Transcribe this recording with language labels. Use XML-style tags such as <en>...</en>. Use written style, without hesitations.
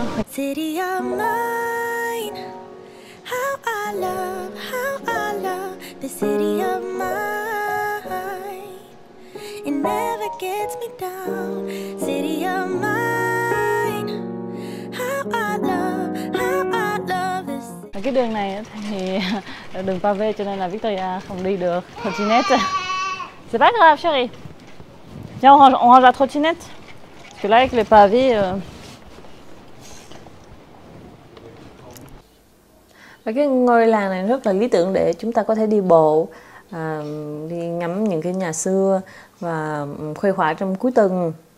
<en>City of mine, how I love the city of mine. It never gets me down. City of mine, how I love this.</en> <vi>Cái đường này thì đường pavé cho nên là Victoria không đi được.</vi> <fr>Trottinette, c'est pas grave, chérie. Viens, on range la trottinette. Parce que là avec les pavés.</fr> <vi>Và cái ngôi làng này rất là lý tưởng để chúng ta có thể đi bộ, đi ngắm những cái nhà xưa và khuây khỏa trong cuối tuần.</vi>